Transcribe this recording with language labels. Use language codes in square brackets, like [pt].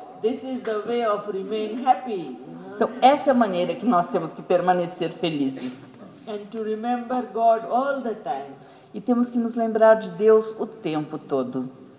[en] This is the way of remain happy. [pt] Então, essa é a maneira que nós temos que permanecer felizes. [en] And to remember God all the time. [pt] E temos que nos lembrar de Deus o tempo todo.